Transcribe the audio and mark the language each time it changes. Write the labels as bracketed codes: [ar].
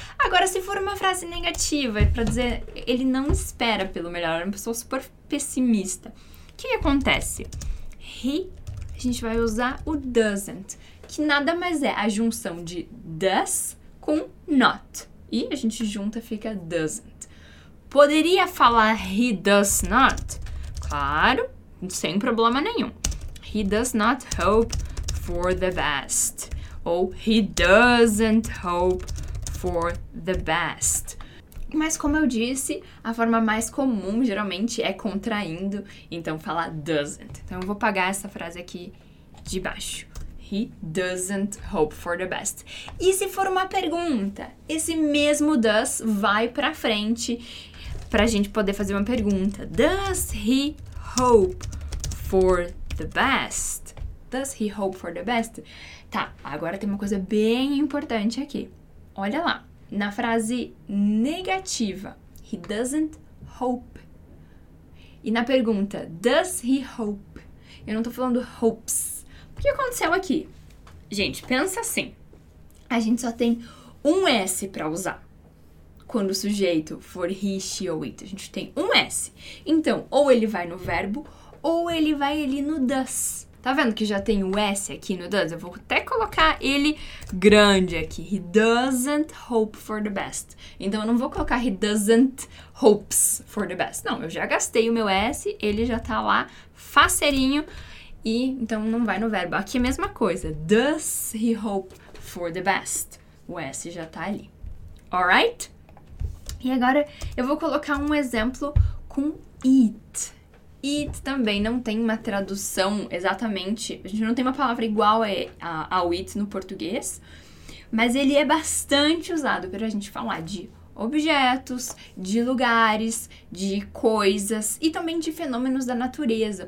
[pt] Agora, se for uma frase negativa, é pra dizer, ele não espera pelo melhor, é uma pessoa super pessimista. O que acontece? He, a gente vai usar o doesn't, que nada mais é a junção de does com not. E a gente junta, fica doesn't. Poderia falar [en] he does not? [pt] Claro, sem problema nenhum. [en] He does not hope for the best. Ou he doesn't hope for the best. [pt] Mas como eu disse, a forma mais comum geralmente é contraindo, então falar doesn't. Então eu vou apagar essa frase aqui de baixo. [en] He doesn't hope for the best. [pt] E se for uma pergunta, esse mesmo does vai pra frente pra gente poder fazer uma pergunta. [en] Does he hope for the best? Does he hope for the best? [pt] Tá, agora tem uma coisa bem importante aqui. Olha lá. Na frase negativa, [en] he doesn't hope. [pt] E na pergunta, [en] does he hope? [pt] Eu não tô falando hopes. O que aconteceu aqui? Gente, pensa assim. A gente só tem um S pra usar quando o sujeito for he, she ou it. A gente tem um S. Então, ou ele vai no verbo, ou ele vai ali no does. Tá vendo que já tem o S aqui no does? Eu vou até colocar ele grande aqui. [en] He doesn't hope for the best. [pt] Então, eu não vou colocar [en] he doesn't hopes for the best. [pt] Não, eu já gastei o meu S, ele já tá lá faceirinho. E, então, não vai no verbo. Aqui é a mesma coisa. [en] Does he hope for the best? [pt] O S já tá ali. [en] Alright? [pt] E agora, eu vou colocar um exemplo com it. It também não tem uma tradução exatamente, a gente não tem uma palavra igual ao it no português, mas ele é bastante usado para a gente falar de objetos, de lugares, de coisas e também de fenômenos da natureza.